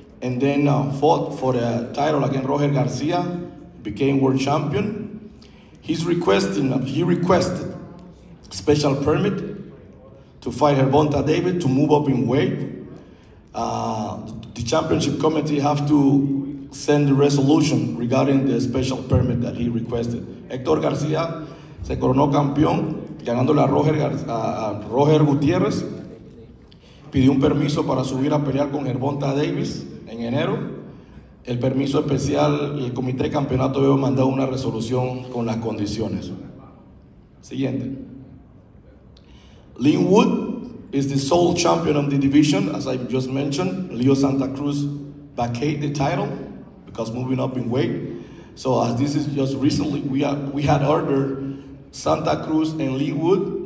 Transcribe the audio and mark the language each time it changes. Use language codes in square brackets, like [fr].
[en] And then fought for the title against Roger García, became world champion. He requested special permit to fight Gervonta David to move up in weight. The championship committee have to send the resolution regarding the special permit that he requested. [es] Héctor García se coronó campeón ganándole a Roger Gutiérrez. Pidió un permiso para subir a pelear con Gervonta Davis en enero. El permiso especial, el comité de campeonato debe mandar una resolución con las condiciones. Siguiente. [en] Lynn Wood is the sole champion of the division, as I just mentioned. Leo Santa Cruz vacated the title because moving up in weight. So as this is just recently, we had ordered Santa Cruz and Lynn Wood.